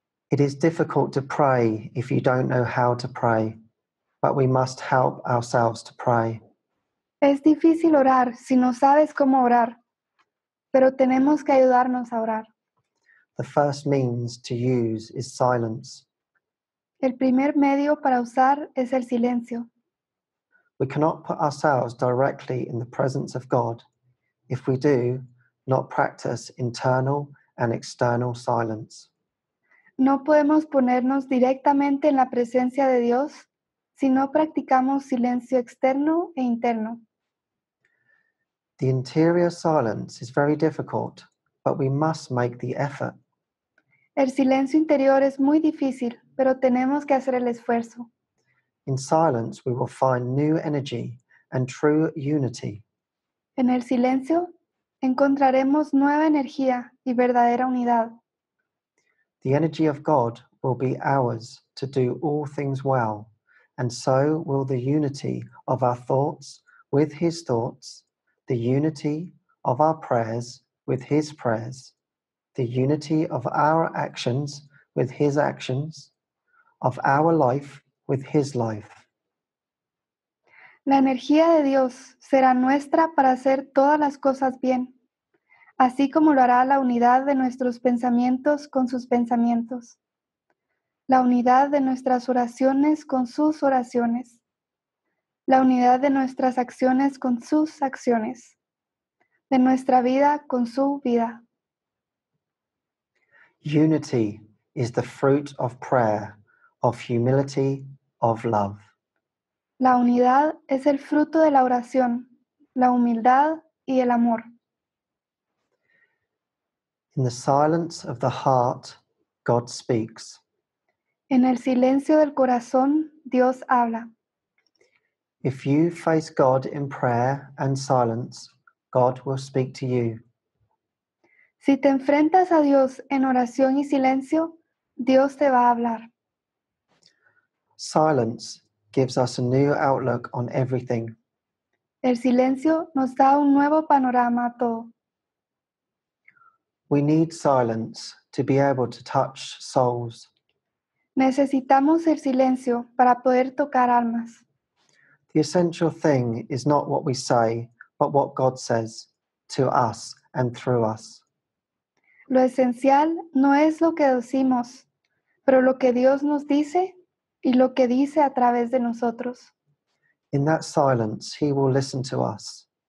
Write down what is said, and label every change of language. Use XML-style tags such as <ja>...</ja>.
<en>It is difficult to pray if you don't know how to pray, but we must help ourselves to pray.</en> <es>Es difícil orar si no sabes cómo orar, pero tenemos que ayudarnos a orar.</es> <en>The first means to use is silence.</en> <es>El primer medio para usar es el silencio.</es> <en>We cannot put ourselves directly in the presence of God if we do not practice internal and external silence.</en> <es>No podemos ponernos directamente en la presencia de Dios si no practicamos silencio externo e interno.</es> <en>The interior silence is very difficult, but we must make the effort.</en> <es>El silencio interior es muy difícil, pero tenemos que hacer el esfuerzo.</es> <en>In silence, we will find new energy and true unity.</en> <es>En el silencio, encontraremos nueva energía y verdadera unidad.</es> <en>The energy of God will be ours to do all things well, and so will the unity of our thoughts with His thoughts, the unity of our prayers with His prayers, the unity of our actions with His actions, of our life with His life.</en> <es>La energía de Dios será nuestra para hacer todas las cosas bien, así como lo hará la unidad de nuestros pensamientos con sus pensamientos, la unidad de nuestras oraciones con sus oraciones, la unidad de nuestras acciones con sus acciones, de nuestra vida con su vida.</es> <en>Unity is the fruit of prayer, of humility, of love.</en> <es>La unidad es el fruto de la oración, la humildad y el amor.</es> <en>In the silence of the heart, God speaks.</en> <es>En el silencio del corazón, Dios habla.</es> <en>If you face God in prayer and silence, God will speak to you.</en> <es>Si te enfrentas a Dios en oración y silencio, Dios te va a hablar.</es> <en>Silence gives us a new outlook on everything.</en> <es>El silencio nos da un nuevo panorama a todo.</es> <en>We need silence to be able to touch souls.</en> <es>Necesitamos el silencio para poder tocar almas.</es> <en>The essential thing is not what we say, but what God says to us and through us.</en> <es>Lo esencial no es lo que decimos, pero lo que Dios nos dice y lo que dice a través de nosotros.</es> <en>In that silence, He will listen to us.</en>